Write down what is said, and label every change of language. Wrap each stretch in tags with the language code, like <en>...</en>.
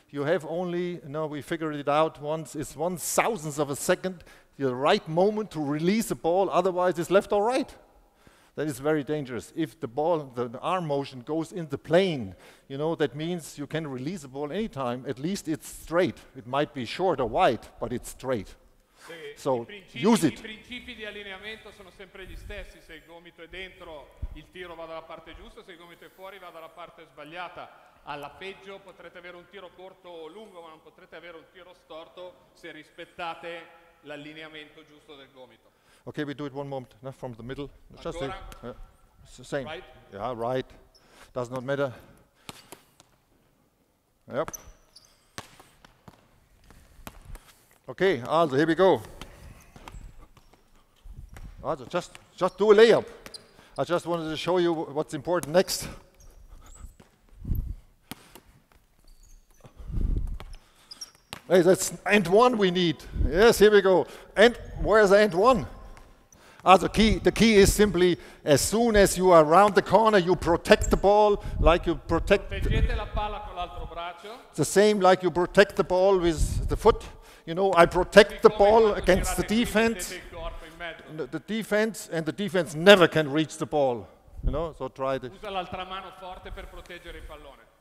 <en>You have only, you know, we figured it out once, it's 1/1000th of a second, the right moment to release the ball, otherwise it's left or right. That is very dangerous. If the ball, the arm motion goes in the plane, you know, that means you can release the ball anytime, at least it's straight. It might be short or wide, but it's straight. So, use it.</en> <it>I principi di allineamento sono sempre gli stessi. Se il gomito è dentro, il tiro va dalla parte giusta. Se il gomito è fuori, va dalla parte sbagliata. Alla peggio potrete avere un tiro corto o lungo, ma non potrete avere un tiro storto se rispettate l'allineamento giusto del gomito.</it> <en>Ok, we do it one moment, no, from the middle.</en> <it>Ancora. Just</it> <en>same. Right. Yeah, right. Does not matter. Yep. Okay, also here we go. Also just do a layup. I just wanted to show you what's important next. Hey, that's end one we need. Yes, here we go. And where's end one? Also the key is simply as soon as you are around the corner, you protect the ball like you protect</en> <it>la palla con l'altro braccio.</it> <en>The same like you protect the ball with the foot. You know, I protect the ball against the defense. The defense and the defense never can reach the ball. You know, so try this.</en> <it>Usa l'altra mano forte per proteggere il pallone.</it>